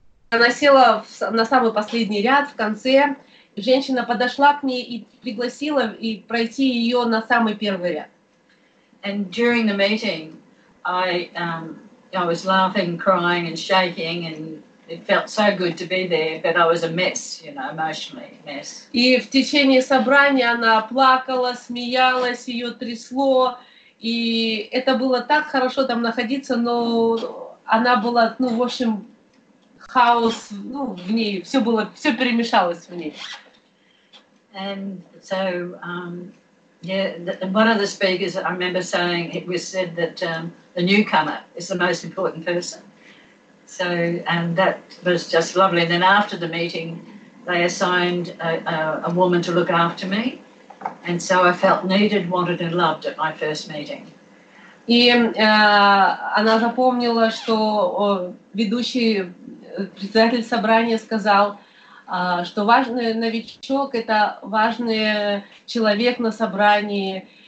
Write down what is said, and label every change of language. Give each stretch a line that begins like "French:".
Russian: Она села в, на самый последний ряд в конце. Женщина подошла к ней и пригласила и пройти ее на самый первый ряд.
English: And during the meeting, I was laughing, crying, and shaking, and it felt so good to be there, but I was a mess, you know, emotionally a mess.
Russian: И в течение собрания она плакала, смеялась, ее трясло, и это было так хорошо там находиться, но она была, ну, в общем, хаос, ну, в ней все было, все перемешалось в ней.
English: And so, one of the speakers I remember saying it was said that the newcomer is the most important person. So, and that was just lovely. And then after the meeting, they assigned a woman to look after me, and so I felt needed, wanted, and loved at my first meeting.
Russian: И она запомнила, что ведущий председатель собрания сказал. Что важный новичок — это важный человек на собрании.